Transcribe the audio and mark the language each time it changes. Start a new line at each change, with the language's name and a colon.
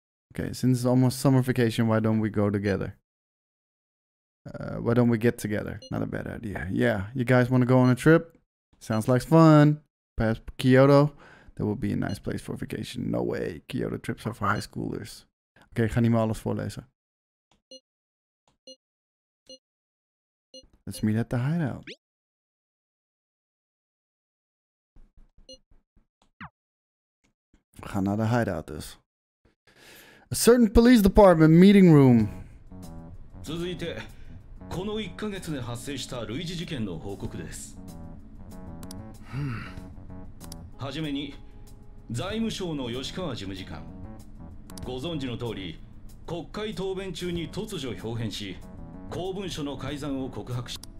English: Okay, since it's almost summer vacation, why don't we go together? Why don't we get together? Not a bad idea. Yeah, you guys want to go on a trip? Sounds like fun. Perhaps Kyoto? That would be a nice place for vacation. No way. Kyoto trips are for high schoolers.
Dutch: Okay, ik ga niet meer alles voorlezen.
English: Let's meet at the hideout.
Dutch: We gaan naar de hideout dus.
English: A certain police department meeting room.
Japanese: 続いてこの1ヶ月で発生した類似事件の報告です。はじめに財務省の吉川事務次官。ご存知の通り、国会答弁中に突如表現し、公文書の改ざんを告白し。